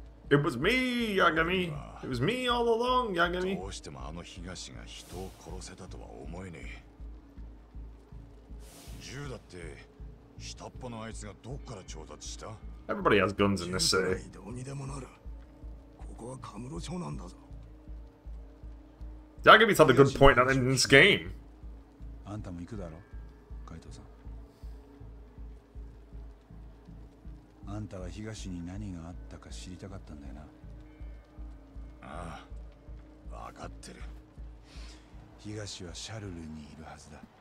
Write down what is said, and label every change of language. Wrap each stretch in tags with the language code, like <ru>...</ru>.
<en>It was me, Yagami. It was me all along, Yagami.</en> <ja>どうしてもあの東が人を殺せたとは思えねえ。銃だって下っ端のあいつがどっから調達した？</ja> <en>Everybody has guns in this city.</en> <ja>どうにでもなる。ここはカムロ町なんだぞ。</ja> <en>Yagami's had a good point in this game.</en> <ja>あんたも行くだろ、カイトさん。あんたは東に何があったか知りたかったんだよな。ああ、分かってる。東はシャルルにいるはずだ。</ja>